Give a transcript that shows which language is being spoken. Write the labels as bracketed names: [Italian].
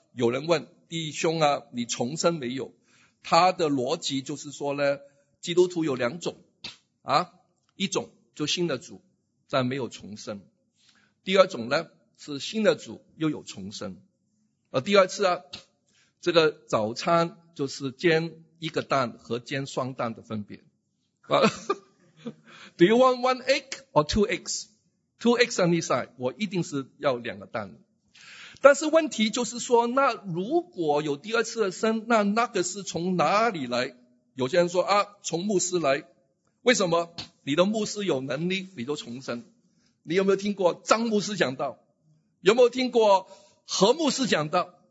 [Chinese] 有人问弟兄啊，你重生没有？他的逻辑就是说呢，基督徒有两种啊，一种就信了主但没有重生，第二种呢是新的主又有重生。第二次啊，这个早餐就是煎一个蛋和煎双蛋的分别。 [English] Do you want one egg or two eggs? Two eggs on this side. [Chinese] 我一定是要两个蛋。但是问题就是说，那如果有第二次的生，那那个是从哪里来？有些人说啊，从牧师来。为什么？你的牧师有能力，你就重生。你有没有听过张牧师讲道？有没有听过何牧师讲道？